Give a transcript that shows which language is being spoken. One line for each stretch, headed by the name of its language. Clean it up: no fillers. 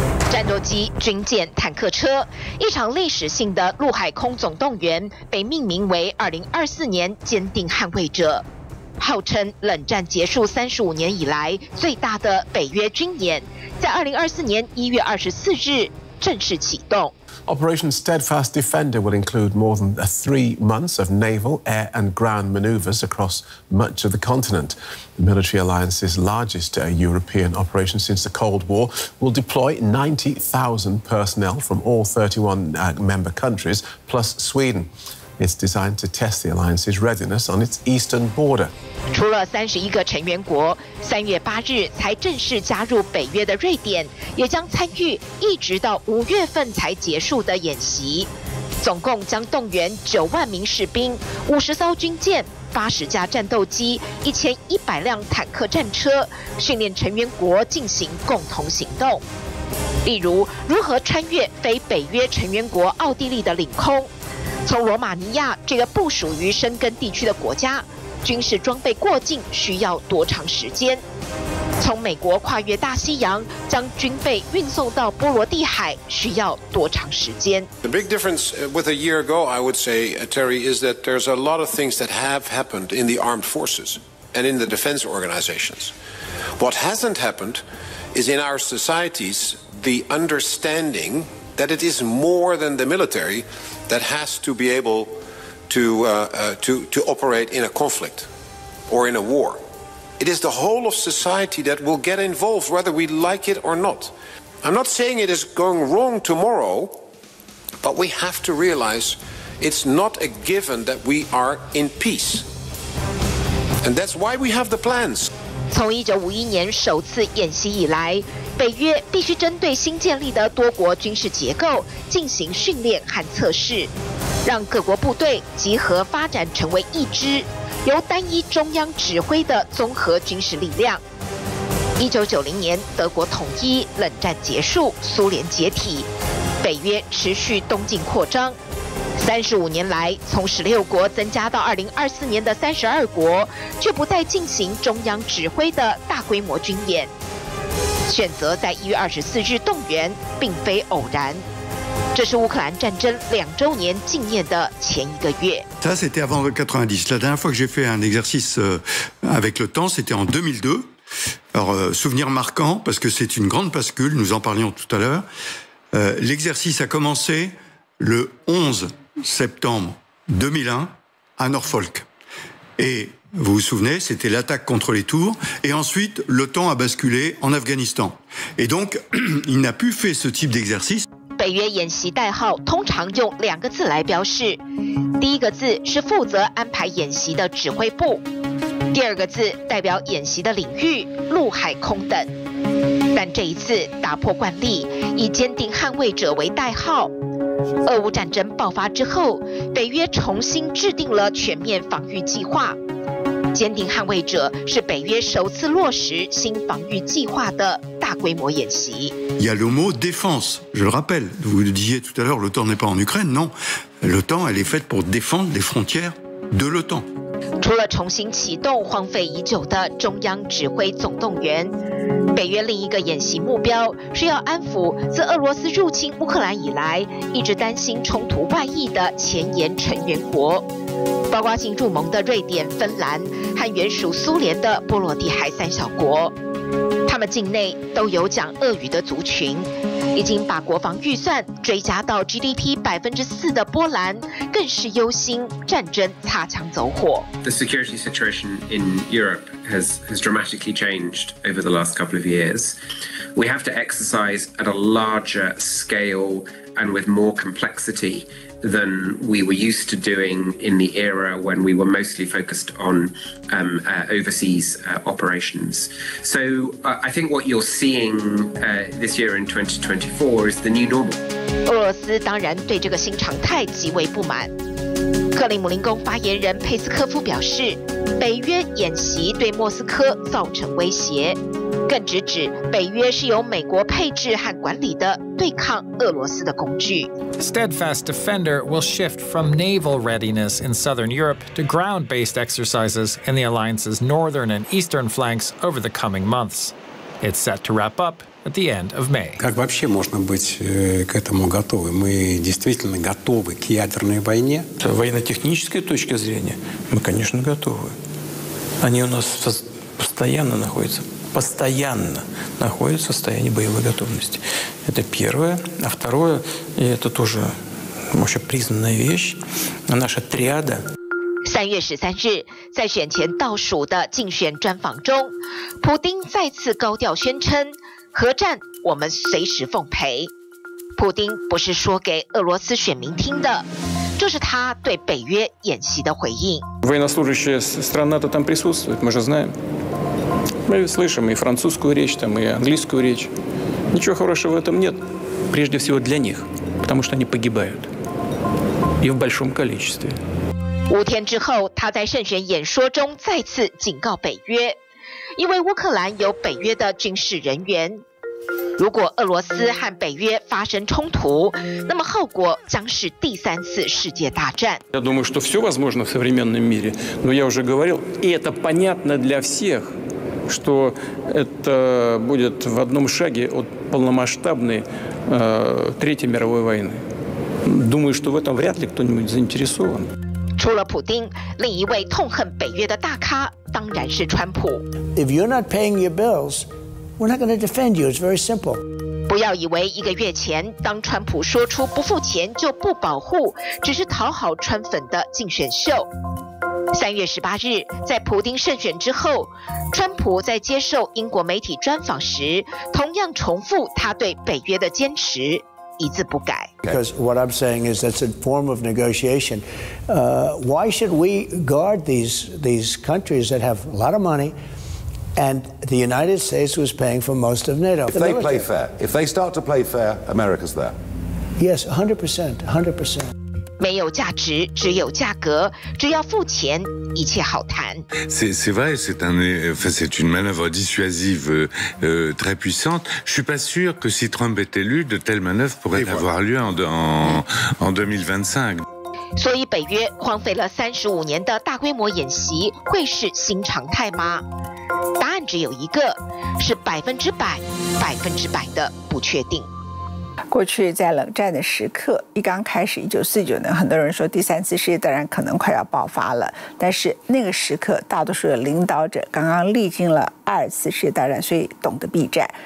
Chinese: 战斗机、军舰、坦克车，一场历史性的陆海空总动员被命名为2024年坚定捍卫者，号称冷战结束35年以来最大的北约军演，在2024年1月24日正式启动。
English: Operation Steadfast Defender will include more than 3 months of naval, air and ground maneuvers across much of the continent. The military alliance's largest European operation since the Cold War will deploy 90,000 personnel from all 31 member countries, plus Sweden. It's designed to test the alliance's readiness on its eastern border.
Chinese: 除了31个成员国，3月8日才正式加入北约的瑞典，也将参与一直到5月份才结束的演习。总共将动员90,000名士兵、50艘军舰、80架战斗机、1100辆坦克战车，训练成员国进行共同行动。例如，如何穿越非北约成员国奥地利的领空？从罗马尼亚这个不属于申根地区的国家，军事装备过境需要多长时间？从美国跨越大西洋，将军备运送到波罗的海需要多长时间
English: ？The big difference with a year ago, I would say, Terry, is that there's a lot of things that have happened in the armed forces and in the defense organizations. What hasn't happened is in our societies the understanding that it is more than the military that has to be able to operate in a conflict or in a war. It is the whole of society that will get involved, whether we like it or not. I'm not saying it is going wrong tomorrow, but we have to realize it's not a given that we are in peace. And that's why we have the plans.
Chinese: 从1951年首次演习以来，北约必须针对新建立的多国军事结构进行训练和测试，让各国部队集合发展成为一支。由单一中央指挥的综合军事力量。 1990年，德国统一，冷战结束，苏联解体，北约持续东进扩张。 35年来，从16国增加到2024年的32国，却不再进行中央指挥的大规模军演。选择在1月24日动员，并非偶然。这是乌克兰战争2周年纪念的前一个月。
French: Ça, c'était avant 90. La dernière fois que j'ai fait un exercice avec l'OTAN, c'était en 2002. Alors, souvenir marquant, parce que c'est une grande bascule, nous en parlions tout à l'heure. L'exercice a commencé le 11 septembre 2001 à Norfolk. Et vous vous souvenez, c'était l'attaque contre les tours. Et ensuite, l'OTAN a basculé en Afghanistan. Et donc, il n'a plus fait ce type d'exercice.
Chinese: 北约演习代号通常用2个字来标示，第一个字是负责安排演习的指挥部，第二个字代表演习的领域，陆海空等。但这一次打破惯例，以坚定捍卫者为代号。俄乌战争爆发之后，北约重新制定了全面防御计划，坚定捍卫者是北约首次落实新防御计划的大规模演习。
French: Il y a le mot défense, je le rappelle. Vous le disiez tout à l'heure, l'OTAN n'est pas en Ukraine, non. L'OTAN, elle est faite pour défendre les frontières de l'OTAN.
Chinese: 除了重新启动荒废已久的中央指挥总动员，北约另一个演习目标是要安抚自俄罗斯入侵乌克兰以来一直担心冲突外溢的前沿成员国，包括新入盟的瑞典、芬兰和原属苏联的波罗的海3小国。他们境内都有讲俄语的族群，已经把国防预算追加到 GDP 4%的波兰，更是忧心战争擦枪走火。
English: The security situation in Europe has dramatically changed over the last couple of years. We have to exercise at a larger scale and with more complexity than we were used to doing in the era when we were mostly focused on overseas operations. So I think what you're seeing this year in 2024 is the new normal.
Chinese: 俄罗斯当然对这个新常态极为不满。克里姆林宫发言人佩斯科夫表示，北约演习对莫斯科造成威胁，更直指北约是由美国配置和管理的对抗俄罗斯的工具。
English: Steadfast Defender will shift from naval readiness in southern Europe to ground-based exercises in the alliance's northern and eastern flanks over the coming months. It's set to wrap up at the end of May.
Russian: Как вообще можно быть к этому готовы? Мы действительно готовы к ядерной войне? С военно-технической точки зрения мы, конечно, готовы. Они у нас постоянно находятся в состоянии боевой готовности. Это первое. А второе, и это тоже вообще признанная вещь, наша триада.
Chinese: 3月13日，在选前倒数的竞选专访中，普丁再次高调宣称，核战我们随时奉陪。普丁不是说给俄罗斯选民听的。就是他对北约演习的回应。
Russian: Военнослужащие стран НАТО там присутствуют, мы же знаем. Мы слышим и французскую речь, там, и английскую речь. Ничего хорошего в этом нет. Прежде всего для них, потому что они погибают. И в большом количестве.
Chinese: 五天之后，他在胜选演说中再次警告北约，因为乌克兰有北约的军事人员，如果俄罗斯和北约发生冲突，那么后果将是第三次世界大战。
Russian: Я думаю, что все возможно в современном мире, но я уже говорил, и это понятно для всех, что это будет в одном шаге от полномасштабной третьей мировой войны. Думаю, что в этом вряд ли кто-нибудь заинтересован.
Chinese: 除了普丁，另一位痛恨北约的大咖当然是川普。
English: If you're not paying your bills, we're not going to defend you. It's very simple.
Chinese: 不要以为一个月前，当川普说出不付钱就不保护，只是讨好川粉的竞选秀。三月十八日，在普丁胜选之后，川普在接受英国媒体专访时，同样重复他对北约的坚持。一字不改。
English: Because what I'm saying is that's a form of negotiation. Why should we guard these countries that have a lot of money, and the United States was paying for most of NATO? If they play fair, if they start to play fair, America's there. Yes, 100%, 100%.
Chinese: 没有价值，只有价格。只要付钱，一切好谈。
French: C'est vrai, c'est une manœuvre dissuasive très puissante. Je suis pas sûr que si Trump est élu, de telles manœuvres pourraient avoir lieu en 2025.
Chinese: 所以北约荒废了三十五年的大规模演习会是新常态吗？答案只有一个，是百分之百、百分之百的不确定。过去在冷战的时刻，一刚开始1949年，很多人说第三次世界大战可能快要爆发了，但是那个时刻大多数的领导者刚刚历经了二次世界大战，所以懂得避战。